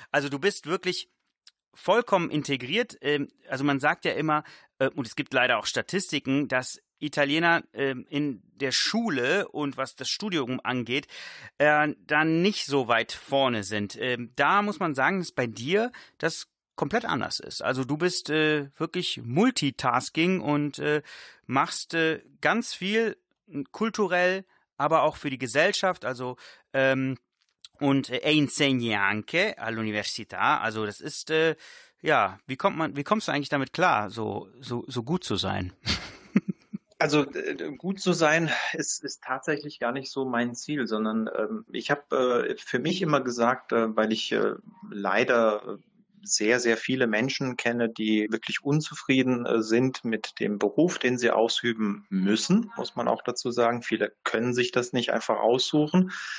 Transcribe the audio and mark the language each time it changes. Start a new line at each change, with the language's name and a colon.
German: Also du bist wirklich vollkommen integriert. Also man sagt ja immer, und es gibt leider auch Statistiken, dass Italiener in der Schule und was das Studium angeht, dann nicht so weit vorne sind. Da muss man sagen, dass bei dir das komplett anders ist. Also du bist wirklich Multitasking und machst ganz viel kulturell, aber auch für die Gesellschaft.
Italian: Also insegni anche all'università.
German: Also das ist ja, wie kommst du eigentlich damit klar, so gut zu sein? Also gut zu sein ist tatsächlich gar nicht so mein Ziel, sondern ich habe für mich immer gesagt, weil ich leider sehr, sehr viele Menschen kenne, die wirklich unzufrieden sind mit dem Beruf, den sie ausüben müssen, muss man auch dazu sagen. Viele können sich das nicht einfach aussuchen.